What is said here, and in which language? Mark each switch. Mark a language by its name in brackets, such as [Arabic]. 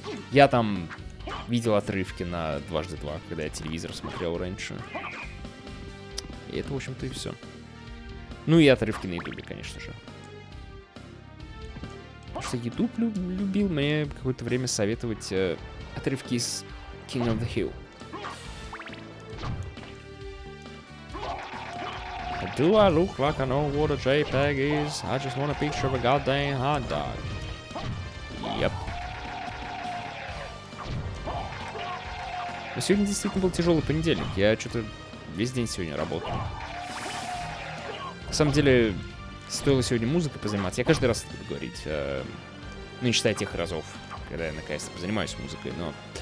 [Russian] Я там видел отрывки на 2x2, когда я телевизор смотрел раньше. И это, в общем-то, и все. Ну и отрывки на Ютубе, конечно же. Потому что Ютуб любил мне какое-то время советовать отрывки из King of the Hill. [English] Do I look like I know what a JPEG is? I just want a picture of a goddamn hot dog. Yep. [Russian] Но сегодня действительно был тяжелый понедельник. Я что-то весь день сегодня работал. На самом деле, стоило сегодня музыкой позаниматься. Я каждый раз это буду говорить. Ну, не считая тех разов, когда я наконец-то позанимаюсь музыкой, но...